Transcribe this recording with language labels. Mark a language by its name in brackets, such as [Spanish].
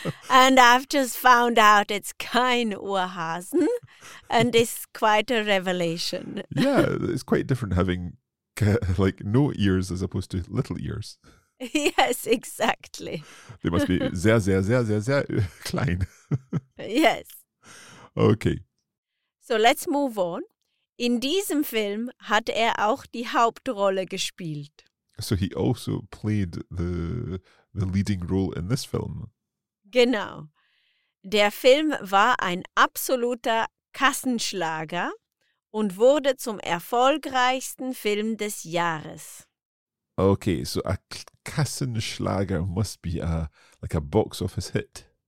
[English] And I've just found out it's Keino Hasen, and it's quite a revelation. Yeah, it's quite different having like no ears as opposed to little ears. Yes, exactly. They must be [German] sehr, sehr, sehr, sehr, sehr klein. [English] Yes. Okay. So let's move on. [German] In diesem Film hat auch die Hauptrolle gespielt. [English] So he also played the leading role in this film. [German] Genau. Der Film war ein absoluter Kassenschlager und wurde zum erfolgreichsten Film des Jahres. [English] Okay, so a Kassenschlager must be a box office hit.